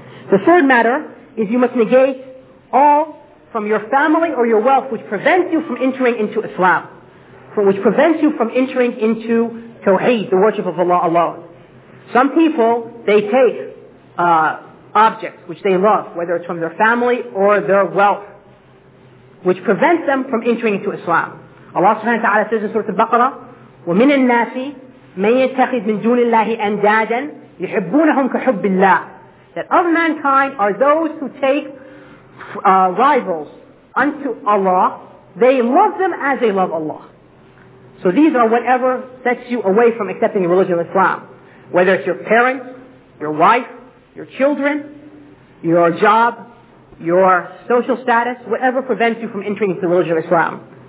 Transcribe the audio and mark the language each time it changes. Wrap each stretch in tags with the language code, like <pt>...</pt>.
<en>The third matter is you must negate all from your family or your wealth which prevents you from entering into Islam, which prevents you from entering into Tawheed, the worship of Allah alone. Some people, they take objects which they love, whether it's from their family or their wealth, which prevents them from entering into Islam.</en> <ar>Allah subhanahu wa ta'ala</ar> <en>says in</en> <ar>Surah Al-Baqarah, وَمِنَ النَّاسِ مَنْ يَتَّخِذْ مِنْ دُونِ اللَّهِ أَنْدَادًا يُحِبُّونَهُمْ كَحُبِّ اللَّهِ.</ar> <en>That of mankind are those who take rivals unto Allah, they love them as they love Allah. So these are whatever sets you away from accepting the religion of Islam. Whether it's your parents, your wife, your children, your job, your social status, whatever prevents you from entering into the religion of Islam.</en>